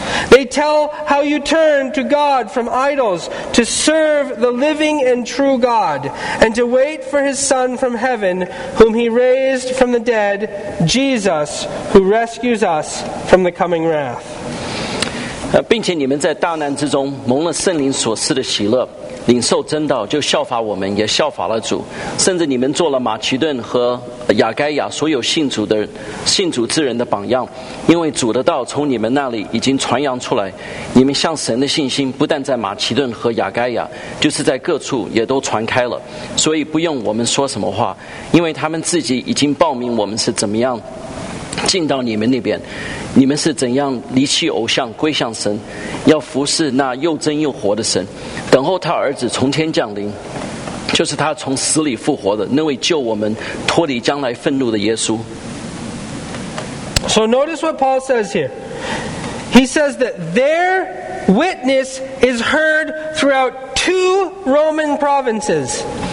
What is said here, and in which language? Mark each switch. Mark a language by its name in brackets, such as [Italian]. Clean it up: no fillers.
[English] They tell how you turned to God from idols to serve the living and true God, and to wait for His Son from heaven, whom He raised from the dead, Jesus, who rescues us from the coming wrath." [Chinese] 并且你们在大难之中蒙了圣灵所赐的喜乐，领受真道，就效法我们，也效法了主，甚至你们做了马其顿和亚该亚所有信主之人的榜样，因为主的道从你们那里已经传扬出来，你们向神的信心不但在马其顿和亚该亚，就是在各处也都传开了，所以不用我们说什么话，因为他们自己已经报名我们是怎么样进到你们那边，你们是怎样离弃偶像归向神，要服侍那又真又活的神，等候他儿子从天降临，就是他从死里复活的那位救我们脱离将来愤怒的耶稣。 [English] So notice what Paul says here. He says that their witness is heard throughout two Roman provinces.